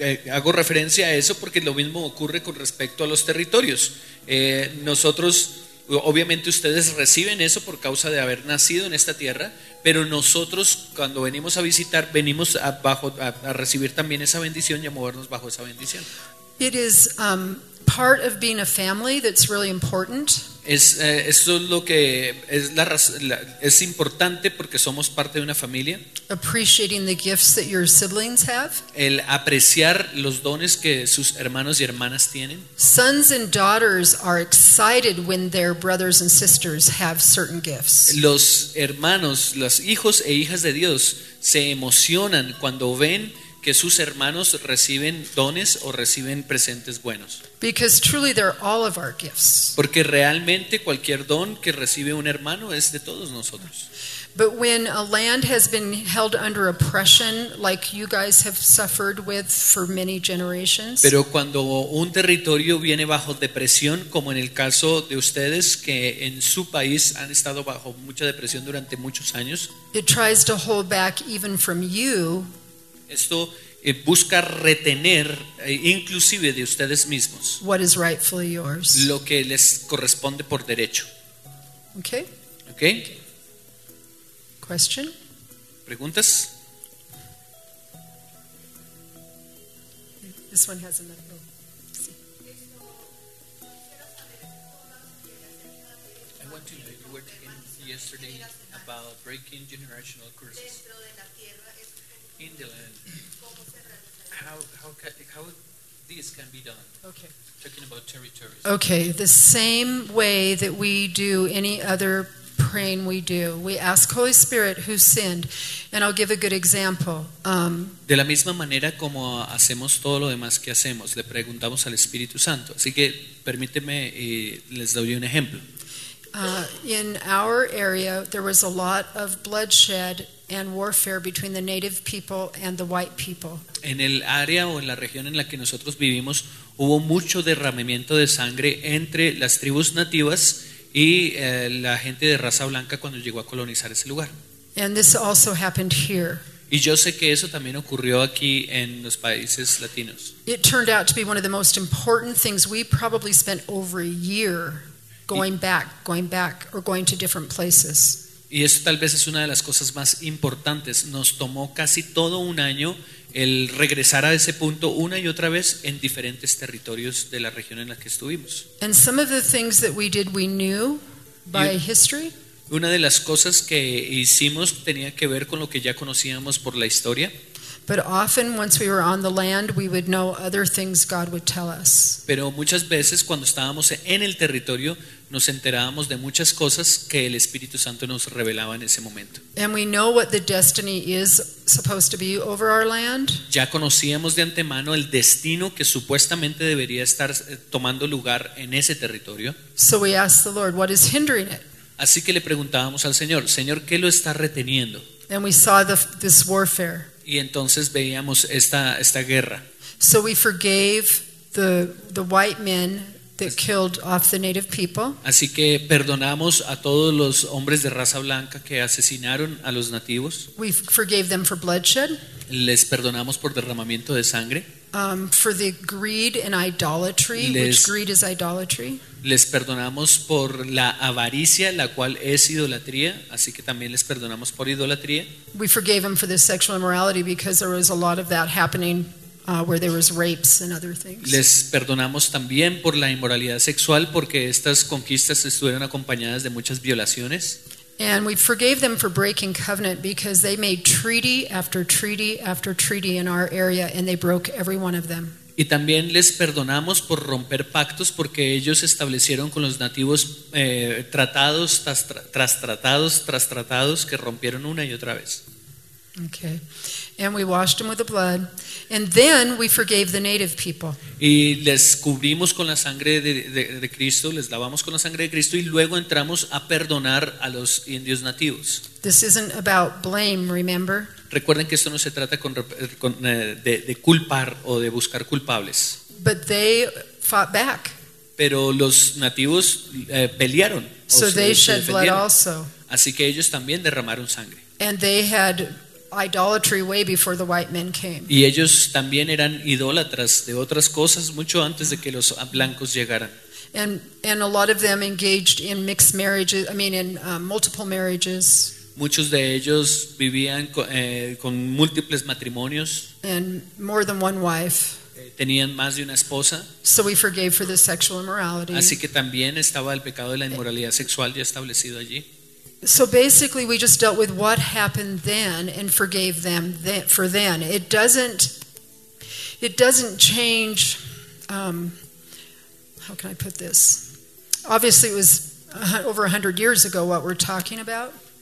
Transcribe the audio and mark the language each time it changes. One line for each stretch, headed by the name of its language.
Spanish: Hago referencia a eso porque lo mismo ocurre con respecto a los territorios. Nosotros, obviamente ustedes reciben eso por causa de haber nacido en esta tierra, pero nosotros cuando venimos a visitar, venimos a recibir también esa bendición y a movernos bajo esa bendición.
English: It is part of being a family that's really important.
Spanish: Es importante porque somos parte de una familia.
English: Appreciating the gifts that your siblings have.
Spanish: El apreciar los dones que sus hermanos y hermanas tienen.
English: Sons and daughters are excited when their brothers and sisters have certain gifts.
Spanish: Los hermanos, los hijos e hijas de Dios se emocionan cuando ven que sus hermanos reciben dones o reciben presentes buenos.
English: Because truly they're all of our gifts.
Spanish: Porque realmente cualquier don que recibe un hermano es de todos nosotros.
English: But when a land has been held under oppression like you guys have suffered with for many generations.
Spanish: Pero cuando un territorio viene bajo depresión, como en el caso de ustedes que en su país han estado bajo mucha depresión durante muchos años.
English: It tries to hold back even from you.
Spanish: Esto busca retener inclusive de ustedes mismos
English: what is rightfully yours.
Spanish: Lo que les corresponde por derecho.
English: Okay. Okay. Question.
Spanish: ¿Preguntas?
English: This one has another. I want to know, you were talking yesterday about breaking generational curses in the land. How this can be done. Okay. Talking about territories. Okay, the same way that we do any other praying we do. We ask Holy Spirit who sinned, and I'll give a good example.
Spanish: De la misma manera como hacemos todo lo demás que hacemos, le preguntamos al Espíritu Santo. Así que permíteme les doy un ejemplo.
English: In our area, there was a lot of bloodshed and warfare between the native people and the white people.
Spanish: En el área o en la región en la que nosotros vivimos, hubo mucho derramamiento de sangre entre las tribus nativas y la gente de raza blanca cuando llegó a colonizar ese lugar.
English: And this also happened here.
Spanish: Y yo sé que eso también ocurrió aquí en los países latinos.
English: It turned out to be one of the most important things. We probably spent over a year going back, or going to different places.
Spanish: Y eso tal vez es una de las cosas más importantes. Nos tomó casi todo un año el regresar a ese punto una y otra vez en diferentes territorios de la región en la que estuvimos.
English: And some of the things that we did, we knew by history.
Spanish: Una de las cosas que hicimos tenía que ver con lo que ya conocíamos por la historia.
English: But often, once we were on the land, we would know other things God would tell us.
Spanish: Pero muchas veces, cuando estábamos en el territorio, nos enterábamos de muchas cosas que el Espíritu Santo nos revelaba en ese momento.
English: And we know what the destiny is supposed to be over our land.
Spanish: Ya conocíamos de antemano el destino que supuestamente debería estar tomando lugar en ese territorio.
English: So we asked the Lord, "What is hindering it?"
Spanish: Así que le preguntábamos al Señor, "Señor, ¿qué lo está reteniendo?"
English: And we saw this warfare.
Spanish: Y entonces veíamos esta guerra.
English: So we forgave the white men that killed off the native people.
Spanish: Así que perdonamos a todos los hombres de raza blanca que asesinaron a los nativos.
English: We forgave them for bloodshed.
Spanish: Les perdonamos por derramamiento de sangre.
English: For the greed and idolatry, which greed is idolatry.
Spanish: Les perdonamos por la avaricia, la cual es idolatría, así que también les perdonamos por idolatría.
English: We forgave them for the sexual immorality because there was a lot of that happening where there was rapes and other things.
Spanish: Les perdonamos también por la inmoralidad sexual porque estas conquistas estuvieron acompañadas de muchas violaciones.
English: And we forgave them for breaking covenant because they made treaty after treaty after treaty in our area and they broke every one of them.
Spanish: Y también les perdonamos por romper pactos porque ellos establecieron con los nativos tratados tras tratados que rompieron una y otra vez.
English: Okay. And we washed them with the blood and then we forgave the native people.
Spanish: Y les cubrimos con la sangre de Cristo, les lavamos con la sangre de Cristo y luego entramos a perdonar a los indios nativos.
English: This isn't about blame, remember?
Spanish: Recuerden que esto no se trata de culpar o de buscar culpables.
English: But they fought back.
Spanish: Pero los nativos pelearon.
English: So they shed blood also.
Spanish: Así que ellos también derramaron sangre.
English: And they had idolatry way before the white men came.
Spanish: Y ellos también eran idólatras de otras cosas mucho antes de que los blancos llegaran.
English: And a lot of them engaged in mixed marriages, multiple marriages.
Spanish: Muchos de ellos vivían con múltiples matrimonios.
English: And more than one wife.
Spanish: Tenían más de una esposa.
English: So we forgave for the sexual immorality.
Spanish: Así que también estaba el pecado de la inmoralidad sexual ya establecido allí.
English: So basically we just dealt with what happened then and forgave them for then. It doesn't change, how can I put this? Obviously it was over 100 years ago what we're talking about.